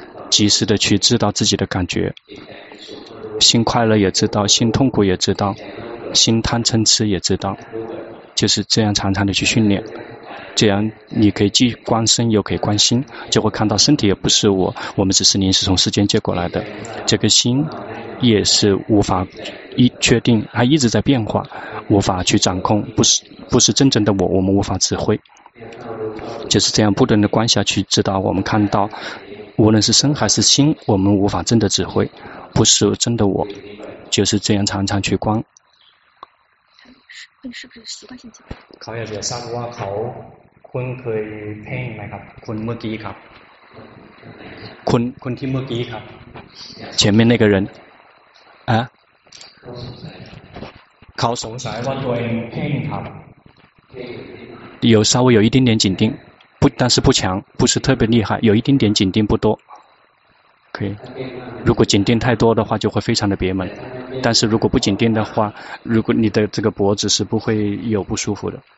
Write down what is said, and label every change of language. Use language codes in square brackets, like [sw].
[zh] 及时的去知道自己的感觉，心快乐也知道，心痛苦也知道，心贪嗔痴也知道，就是这样常常的去训练，这样你可以既观身又可以观心，就会看到身体也不是我，我们只是临时从世间借过来的，这个心也是无法一确定，它一直在变化，无法去掌控，不是真正的我，我们无法指挥，就是这样不断的观下去，直到我们看到无论是身还是心，我们无法真的指挥，不是真的我，就是这样常常去观。是不是习惯性 [th] เขาอยากจะทราบว่าเขาคุณเคยเพ่งไหมครับคุณเมื่อกี้ครับ คุณ ที่เมื่อกี้ครับ [zh] 前面那个人啊 [th] เขาสงสัยว่าตัวเองเพ่งครับ [zh] 有稍微有一点点紧盯不但是不强不是特别厉害有一点点紧盯不多可以，如果紧盯太多的话，就会非常的憋闷。但是如果不紧盯的话，如果你的这个脖子是不会有不舒服的。